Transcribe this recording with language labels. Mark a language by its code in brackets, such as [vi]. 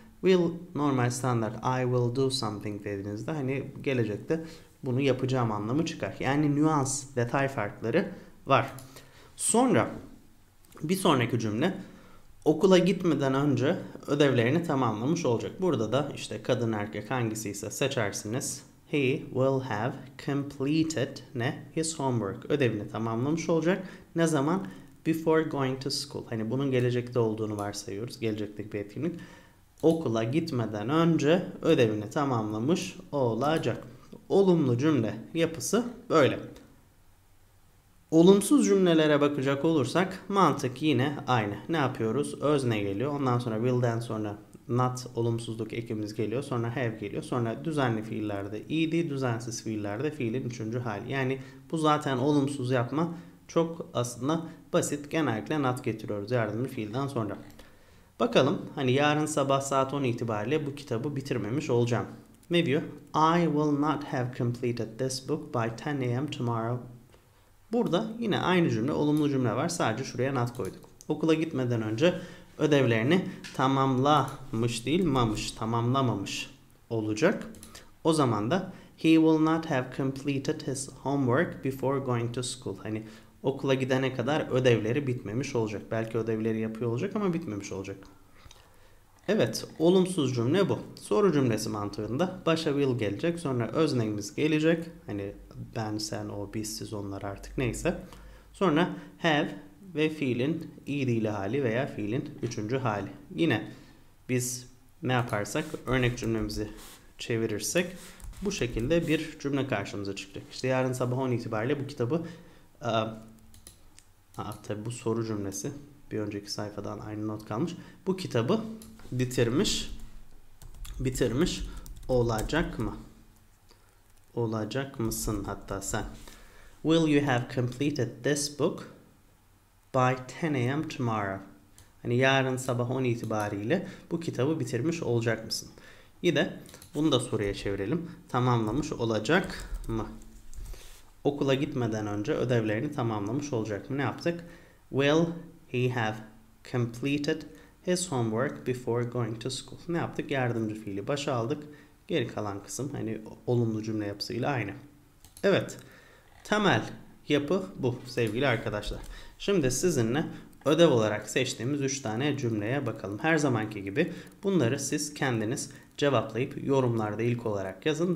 [tr] Will normal standart [en] I will do something [tr] dediğinizde hani gelecekte bunu yapacağım anlamı çıkar. Yani nüans, detay farkları var. Sonra bir sonraki cümle, okula gitmeden önce ödevlerini tamamlamış olacak. Burada da işte kadın erkek hangisi ise seçersiniz. [en] He will have completed [tr] ne? [en] His homework. [tr] Ödevini tamamlamış olacak. Ne zaman? [en] Before going to school. [tr] Hani bunun gelecekte olduğunu varsayıyoruz. Gelecekteki bir etkinlik. Okula gitmeden önce ödevini tamamlamış olacak. Olumlu cümle yapısı böyle. Olumsuz cümlelere bakacak olursak mantık yine aynı. Ne yapıyoruz? Özne geliyor. Ondan sonra will'den sonra not olumsuzluk ekimiz geliyor. Sonra have geliyor. Sonra düzenli fiillerde ed, düzensiz fiillerde fiilin üçüncü hali. Yani bu zaten olumsuz yapma çok aslında basit. Genellikle not getiriyoruz yardımcı fiilden sonra. Bakalım hani yarın sabah saat 10 itibariyle bu kitabı bitirmemiş olacağım. Ne diyor? [en] I will not have completed this book by 10 a.m. tomorrow. [tr] Burada yine aynı cümle, olumlu cümle var. Sadece şuraya not koyduk. Okula gitmeden önce ödevlerini tamamlamış değil, mamış, tamamlamamış olacak. O zaman da [en] he will not have completed his homework before going to school. [tr] Hani okula gidene kadar ödevleri bitmemiş olacak. Belki ödevleri yapıyor olacak ama bitmemiş olacak. Evet, olumsuz cümle bu. Soru cümlesi mantığında başa will gelecek, sonra öznemiz gelecek. Hani ben, sen, o, biz, siz, onlar artık neyse. Sonra have ve fiilin ed'li hali veya fiilin üçüncü hali. Yine biz ne yaparsak, örnek cümlemizi çevirirsek bu şekilde bir cümle karşımıza çıkacak. İşte yarın sabah 10 itibariyle bu kitabı tabii bu soru cümlesi. bir önceki sayfadan aynı not kalmış. Bu kitabı bitirmiş olacak mı? Olacak mısın hatta sen? [en] Will you have completed this book by 10 a.m. tomorrow? [tr] Hani yarın sabah 10 itibariyle bu kitabı bitirmiş olacak mısın? Yine de bunu da soruya çevirelim. Tamamlamış olacak mı? Okula gitmeden önce ödevlerini tamamlamış olacak mı? Ne yaptık? [en] Will he have completed his homework before going to school? [tr] Ne yaptık? Yardımcı fiili başa aldık. Geri kalan kısım hani olumlu cümle yapısıyla aynı. Evet. Temel yapı bu sevgili arkadaşlar. Şimdi sizinle ödev olarak seçtiğimiz 3 tane cümleye bakalım. Her zamanki gibi bunları siz kendiniz cevaplayıp yorumlarda ilk olarak yazın.